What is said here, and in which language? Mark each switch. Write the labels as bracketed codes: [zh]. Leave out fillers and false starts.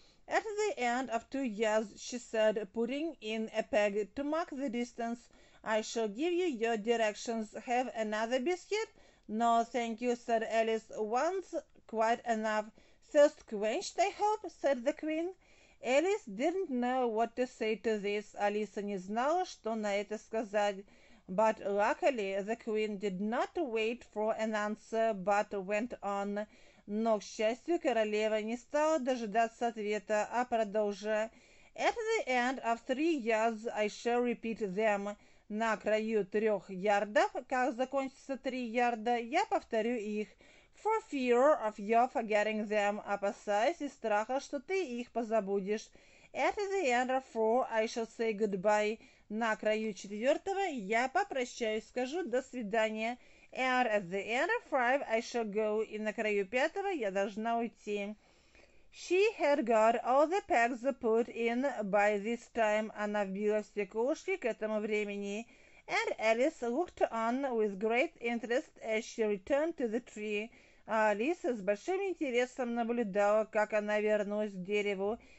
[en] At the end of 2 yards, she said, putting in a peg to mark the distance, I shall give you your directions. Have another biscuit? No, thank you, said Alice. One's quite enough. Thirst quenched, I hope, said the queen. Alice didn't know what to say to this. [ru] Алиса не знала, что на это сказать. [en] But luckily, the queen did not wait for an answer, but went on. [ru] Но, к счастью, королева не стала дожидаться ответа, а продолжила. [en] At the end of 3 yards, I shall repeat them. [ru] На краю 3 ярдов, как закончится 3 ярда, я повторю их. [en] For fear of your forgetting them, [ru] опасаясь из страха, что ты их позабудешь. [en] At the end of 4, I shall say goodbye. [ru] На краю 4-го я попрощаюсь, скажу до свидания. [en] And at the end of 5, I shall go. [ru] И на краю 5-го я должна уйти. [en] She had got all the pegs put in by this time. [ru] Она вбила все колышки к этому времени. [en] And Alice looked on with great interest as she returned to the tree. [ru] А Алиса с большим интересом наблюдала, как она вернулась к дереву.